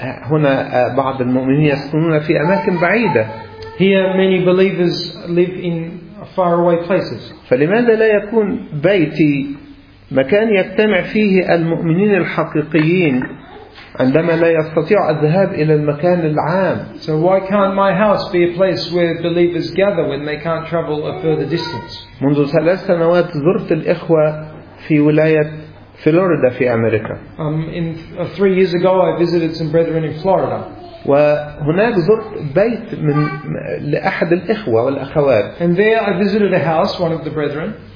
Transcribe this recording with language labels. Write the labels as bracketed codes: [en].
[ar] هنا بعض المؤمنين يسكنون في أماكن بعيدة. [en] Here many believers live in far away places. [ar] فلماذا لا يكون بيتي مكان يجتمع فيه المؤمنين الحقيقيين عندما لا يستطيع الذهاب إلى المكان العام؟ [en] So why can't my house be a place where believers gather when they can't travel a further distance? [ar] منذ 3 سنوات زرت الإخوة في ولاية فلوريدا في أمريكا. [en] Three years ago I visited some brethren in Florida. [ar] وهناك زرت بيت من لأحد الإخوة والأخوات. [en] And there I visited a house, one of the brethren.